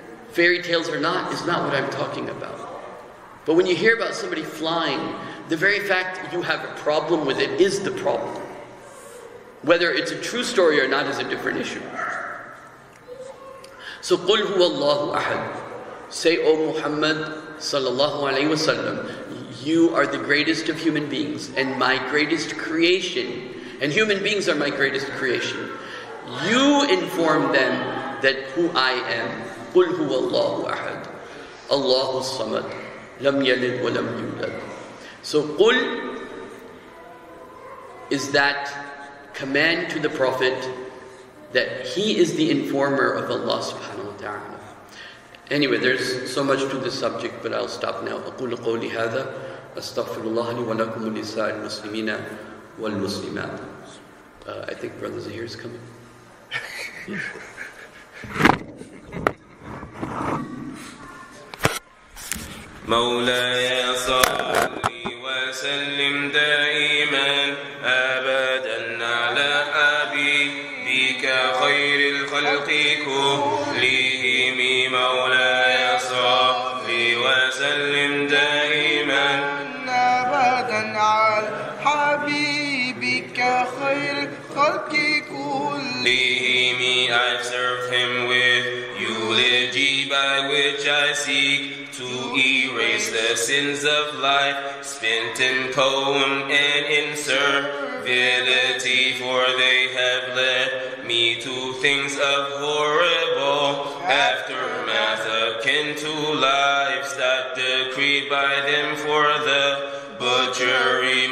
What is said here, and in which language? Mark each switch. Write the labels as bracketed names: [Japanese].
[English] Fairy tales is not what I'm talking about. But when you hear about somebody flying, the very fact you have a problem with it is the problem. Whether it's a true story or not is a different issue. [Arabic] So قُلْ هُوَ اللَّهُ أَحَدٌ. [English] Say, O Muhammad sallallahu alayhi wa sallam, you are the greatest of human beings and my greatest creation. And human beings are my greatest creation. You inform them that who I am. [Arabic] قُلْ هُوَ اللَّهُ أَحَدٌ. اللَّهُ الصَّمَدُ. لَمْ يَلِدْ وَلَمْ يُولَدْ. [English] So قُلْ is that command to the Prophet that he is the informer of Allah subhanahu wa ta'ala. Anyway, there's so much to this subject, but I'll stop now. [Arabic] أقول قولي هذا أستغفر الله لي ولكم ولنساء المسلمين والمسلمات. [English] I think Brother Zahir is coming. [Arabic] مولاي صلي وسلم دائما أبدا على حبيبك خير الخلق كلهم. مولاي صلي وسلم دائما أبدا على حبيبك خير الخلق كلهم. [English] I serve him with eulogy by which I seek to erase the sins of life spent in poem and in servility, for they have led me to things of horrible aftermath akin to lives that decreed by them for the butchery.